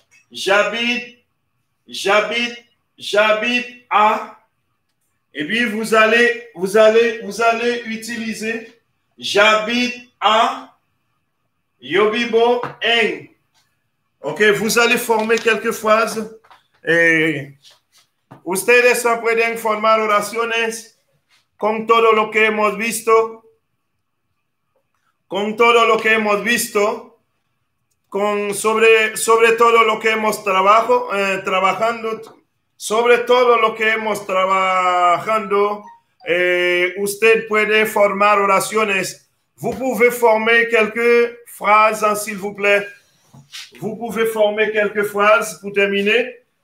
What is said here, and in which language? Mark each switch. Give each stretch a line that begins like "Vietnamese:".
French: J'habite à. Et puis vous allez utiliser j'habite à Yobibo Eng. Ok, vous allez former quelques phrases.
Spanish: Ustedes se pueden formar oraciones con todo lo que hemos visto. Con todo lo que hemos visto. Sobre todo lo que hemos trabajando, usted puede formar oraciones.
French: Vous pouvez former quelques phrases, hein, s'il vous plaît. Vous pouvez former quelques phrases pour terminer.